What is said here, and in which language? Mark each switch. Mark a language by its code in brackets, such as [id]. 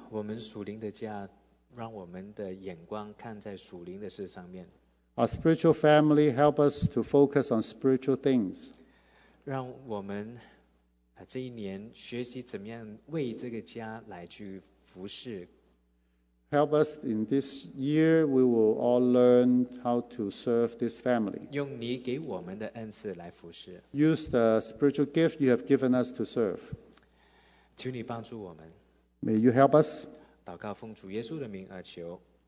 [zh] 我们属灵的家，让我们的眼光看在属灵的事上面。 [en] Our spiritual family help us to focus on spiritual things. [zh] 让我们这一年学习怎么样为这个家来去服侍。 [en] Help us in this year, we will all learn how to serve this family. [zh] 用你给我们的恩赐来服侍。 [en] Use the spiritual gift you have given us to serve. [zh] 求你帮助我们。 [en] May you help us. [zh] 祷告奉主耶稣的名而求。